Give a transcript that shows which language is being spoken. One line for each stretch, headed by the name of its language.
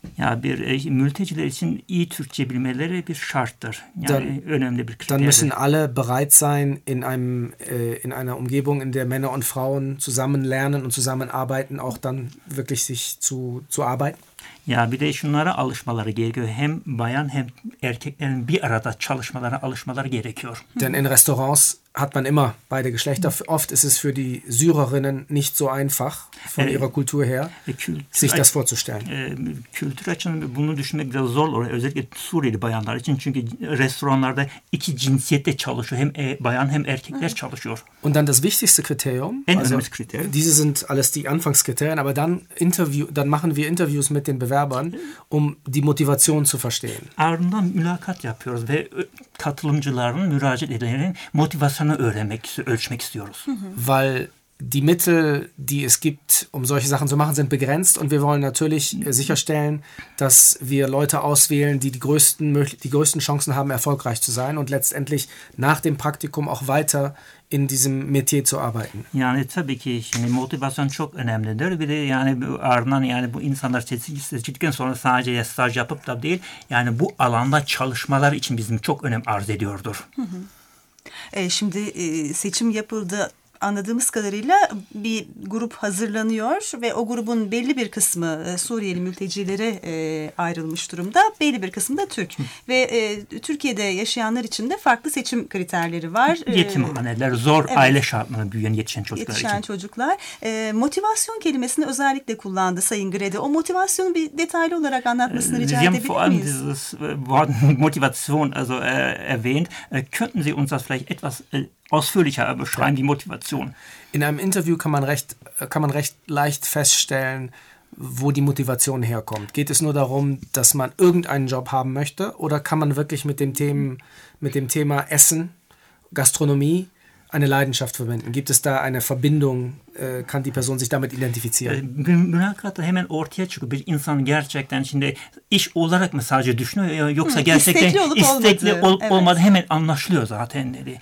Turkish: Ja, bir mülteciler için iyi Türkçe bilmeleri bir şarttır. Yani dann, önemli bir kriter.
German: Dann müssen alle bereit sein in einer Umgebung, in der Männer und Frauen zusammen lernen und zusammenarbeiten, auch dann wirklich sich zu arbeiten.
Turkish: Ja, bir de şunlara alışmaları gerekiyor. Hem bayan hem erkeklerin bir arada çalışmalarına alışmaları gerekiyor.
German: Denn in Restaurants hat man immer beide Geschlechter. Oft ist es für die Syrerinnen nicht so einfach von ihrer Kultur her, sich das vorzustellen.
Turkish: Kültür açısından bunu düşünmek biraz zor olur. Özellikle Suriyeli bayanlar için. Çünkü restoranlarda iki cinsiyette çalışıyor. Hem bayan hem erkekler çalışıyor.
German: Und dann das wichtigste Kriterium.
Turkish: En önemli kriter.
German: Diese sind alles die Anfangskriterien, aber dann machen wir Interviews mit den Bewerbern, um die Motivation zu verstehen.
Turkish: Ardından mülakat yapıyoruz ve katılımcıların, müracaat edenlerin motivasyonunu ölçmek istiyoruz.
German: Weil die Mittel, die es gibt, um solche Sachen zu machen, sind begrenzt und wir wollen natürlich sicherstellen, dass wir Leute auswählen, die die größten Chancen haben, erfolgreich zu sein und letztendlich nach dem Praktikum auch weiter in diesem Metier zu arbeiten.
Turkish: Yani tabii ki şimdi motivasyon çok önemlidir. Bir de yani ardından yani bu insanlar seçildikten sonra sadece staj yapıp da değil, yani bu alanda çalışmalar için bizim çok önem arz ediyordur. Şimdi seçim yapıldı. Anladığımız kadarıyla bir grup hazırlanıyor ve o grubun belli bir kısmı Suriyeli mültecilere ayrılmış durumda. Belli bir kısmı da Türk. Ve Türkiye'de yaşayanlar için de farklı seçim kriterleri var. Yetimhaneler, zor evet. Aile şartlarına büyüyen yetişen çocuklar yetişen için. Yetişen çocuklar. Motivasyon kelimesini özellikle kullandı Sayın Grede. O motivasyonu bir detaylı olarak anlatmasını rica edebilir miyiz?
German: Sie haben vor allem dieses Wort Motivation also erwähnt. Könnten Sie uns das vielleicht etwas ausführlicher beschreiben, die Motivation. In einem Interview kann man recht leicht feststellen, wo die Motivation herkommt. Geht es nur darum, dass man irgendeinen Job haben möchte oder kann man wirklich mit dem Thema Essen, Gastronomie eine Leidenschaft verbinden? Gibt es da eine Verbindung? Kann die Person sich damit identifizieren?
Turkish: Münakata hemen ortaya çıkıyor. Bir insan gerçekten şimdi iş olarak mı sadece düşünüyor yoksa gerçekten istekli olup olmadı hemen anlaşılıyor zaten.